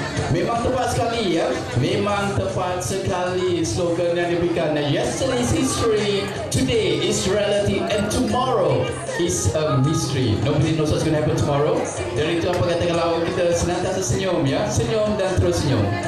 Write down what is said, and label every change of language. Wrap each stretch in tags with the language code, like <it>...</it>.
<id>Memang tepat sekali ya, memang tepat sekali slogan yang diberikan.</id> <en>Yesterday's history, today is reality, and tomorrow is a mystery. Nobody knows what's going to happen tomorrow.</en> <id>Dari itu apa kata kalau kita senantiasa senyum ya, senyum dan terus senyum.</id>